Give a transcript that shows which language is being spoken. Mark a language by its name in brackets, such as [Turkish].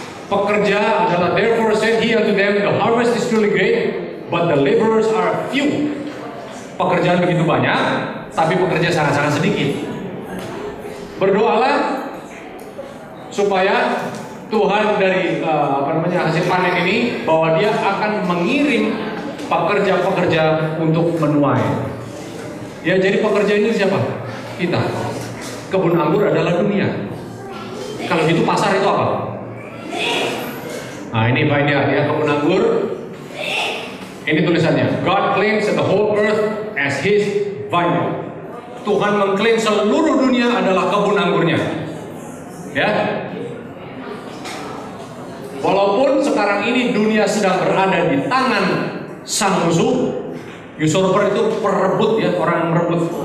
[Indonesian] Pekerja adalah, [English] therefore said he unto them, the harvest is truly great, but the laborers are few. [Indonesian] Pekerjaan begitu banyak, tapi pekerja sangat-sangat sedikit. Berdoalah supaya Tuhan dari hasil panen ini, bahwa dia akan mengirim pekerja-pekerja untuk menuai. Ya, jadi pekerja ini siapa? Kita. Kebun anggur adalah dunia. Kalau gitu pasar itu apa? Nah, ini baiknya ya, kebun anggur. Ini tulisannya, [English] God claims the whole earth as his vineyard. [Indonesian] Tuhan mengklaim seluruh dunia adalah kebun anggurnya. Ya. Walaupun sekarang ini dunia sedang berada di tangan sang musuh, usurper itu perebut ya, orang yang merebut.